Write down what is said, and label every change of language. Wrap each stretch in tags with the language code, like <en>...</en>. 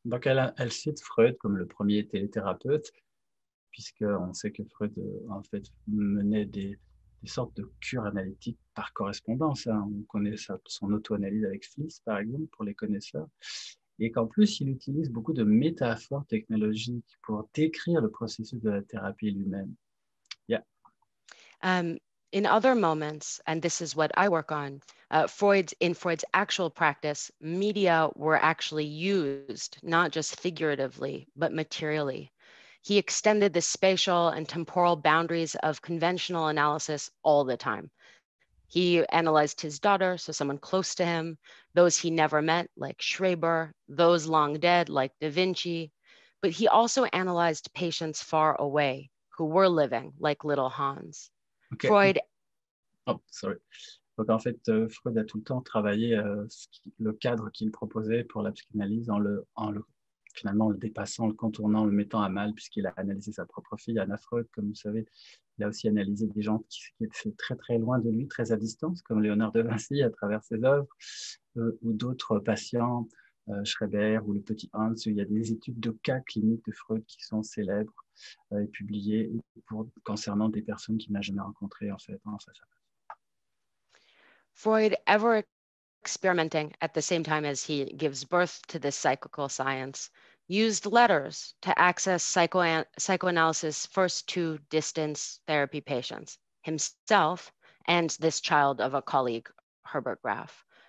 <fr>Donc elle cite Freud comme le premier téléthérapeute, puisqu'on sait que Freud en fait menait des sortes de cures analytiques par correspondance. Hein. On connaît ça, son auto-analyse avec Fliss, par exemple, pour les connaisseurs. Et qu'en plus, il utilise beaucoup de métaphores technologiques pour décrire le processus de la thérapie lui-même. Yeah.</fr> <en>In other moments, and this is what I work on, in Freud's actual practice, media were actually used, not just figuratively, but materially. He extended the spatial and temporal boundaries of conventional analysis all the time. He analyzed his daughter, so someone close to him, those he never met, like Schreber, those long dead, like Da Vinci, but he also analyzed patients far away who were living, like little Hans. Okay. Freud. Oh, sorry.</en> <fr>Donc, en fait, Freud a tout le temps travaillé le cadre qu'il proposait pour la psychanalyse finalement, le dépassant, le contournant, le mettant à mal, puisqu'il a analysé sa propre fille, Anna Freud, comme vous savez. Il a aussi analysé des gens qui étaient très, très loin de lui, très à distance, comme Léonard de Vinci à travers ses œuvres, ou d'autres patients, Schreber ou le petit Hans. Il y a des études de cas cliniques de Freud qui sont célèbres et publiées concernant des personnes qu'il n'a jamais rencontrées, en fait, en face à face.</fr> <en>Freud ever experimenting at the same time as he gives birth to this psychical science, used letters to access psychoanalysis first to distance therapy patients, himself and this child of a colleague, Herbert Graf.</en>